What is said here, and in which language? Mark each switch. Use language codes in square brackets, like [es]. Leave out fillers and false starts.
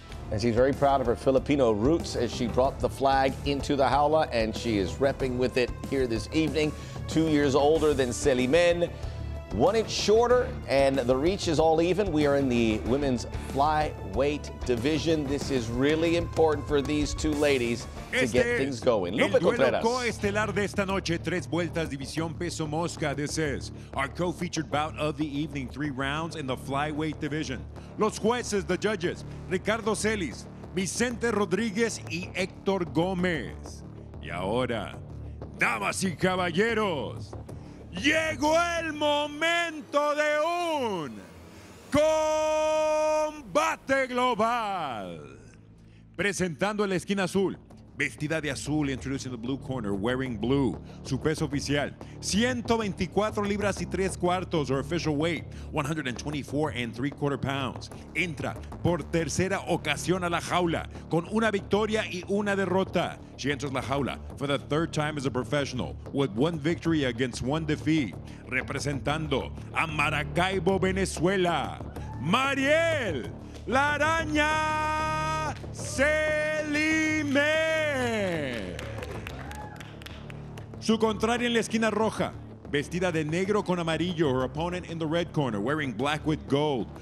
[en] And she's very proud of her Filipino roots as she brought the flag into the jaula, and she is repping with it here this evening. 2 years older than Celimen, 1 inch shorter, and the reach is all even. We are in the women's flyweight division. This is really important for these two ladies to get things going. Lupe Contreras. [es] El duelo coestelar de esta noche, tres vueltas, división peso mosca. [en] This is our co-featured bout of the evening, three rounds in the flyweight division. [es] Los jueces, [en] the judges, [es] Ricardo Celis, Vicente Rodriguez y Héctor Gómez. Y ahora, damas y caballeros, llegó el momento de un combate global. Presentando la esquina azul, vestida de azul, [en] introducing the blue corner, wearing blue. [es] Su peso oficial, 124 libras y tres cuartos, [en] her official weight, 124 and three quarter pounds. [es] Entra por tercera ocasión a la jaula con una victoria y una derrota. [en] She enters la jaula for the third time as a professional with one victory against one defeat. [es] Representando a Maracaibo, Venezuela, Mariel, la araña Celimen. Su contraria en la esquina roja, vestida de negro con amarillo. [en] Her opponent in the red corner, wearing black with gold.